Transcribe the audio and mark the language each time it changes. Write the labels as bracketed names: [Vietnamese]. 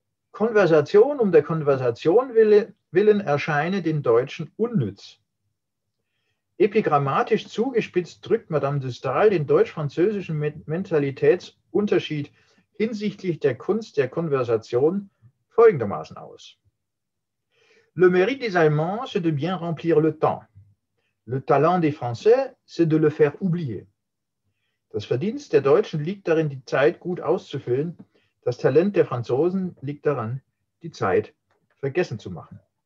[German] Konversation um der Konversation willen erscheine den Deutschen unnütz. Epigrammatisch zugespitzt drückt Madame de Stael den deutsch-französischen Mentalitätsunterschied hinsichtlich der Kunst der Konversation folgendermaßen aus. [French] Le mérite des Allemands, c'est de bien remplir le temps. Le talent des Français, c'est de le faire oublier. [German] Das Verdienst der Deutschen liegt darin, die Zeit gut auszufüllen. Das Talent der Franzosen liegt daran, die Zeit vergessen zu machen.